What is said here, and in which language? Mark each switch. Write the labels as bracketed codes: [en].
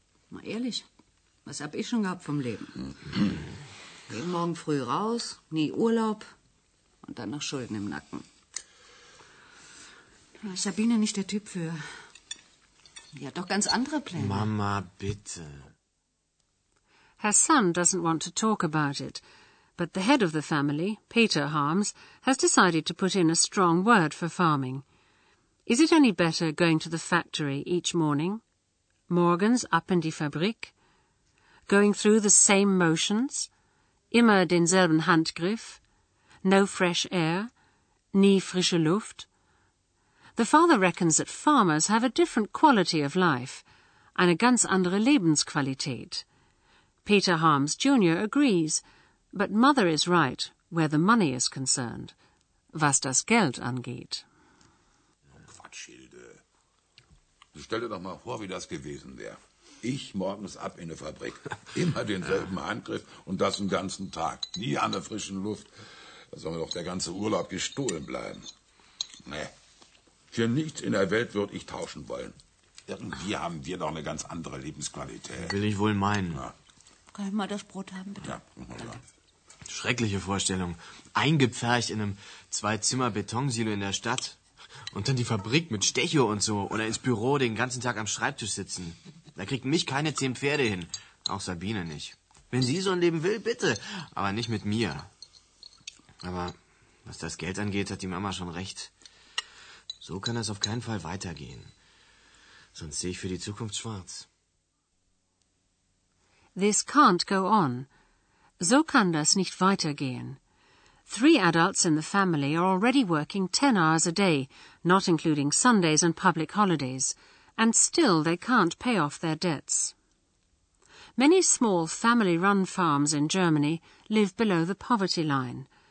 [de] Mal ehrlich, was hab ich schon gehabt vom Leben? Jeden Morgen früh raus, nie Urlaub und dann noch Schulden im Nacken. Da ist Sabine nicht der Typ für. Die hat doch ganz andere Pläne. Mama, bitte. [en] Her son doesn't want to talk about it, but the head of the family, Peter Harms, has decided to put in a strong word for farming. Is it any better going to the factory each morning? [de] Morgens ab in die Fabrik? [en] Going through the same motions? [de] Immer denselben Handgriff, [en] no fresh air, [de] nie frische Luft. [en] The father reckons that farmers have a different quality of life, [de] eine ganz andere Lebensqualität. [en] Peter Harms Jr. agrees, but mother is right where the money is concerned, [de] was das Geld angeht. Quatsch, Hilde. Stell dir doch mal vor, wie das gewesen wäre. Ich morgens ab in der Fabrik. Immer denselben Handgriff und das den ganzen Tag. Nie an der frischen Luft. Da soll mir doch der ganze Urlaub gestohlen bleiben. Nee. Für nichts in der Welt würde ich tauschen wollen. Irgendwie haben wir doch eine ganz andere Lebensqualität. Will ich wohl meinen. Ja. Kann ich mal das Brot haben, bitte? Ja, mal ja. Schreckliche Vorstellung. Eingepfercht in einem Zwei-Zimmer-Betonsilo in der Stadt. Und dann die Fabrik mit Stecho und so. Oder ins Büro den ganzen Tag am Schreibtisch sitzen. Da kriegt mich keine 10 Pferde hin. Auch Sabine nicht. Wenn sie so ein Leben will, bitte. Aber nicht mit mir. Aber was das Geld angeht, hat die Mama schon recht. So kann das auf keinen Fall weitergehen. Sonst sehe ich für die Zukunft schwarz. [en] This can't go on. [de] So kann das nicht weitergehen. [en] Three adults in the family are already working 10 hours a day, not including Sundays and public holidays. And still they can't pay off their debts. Many small family-run farms in Germany live below the poverty line.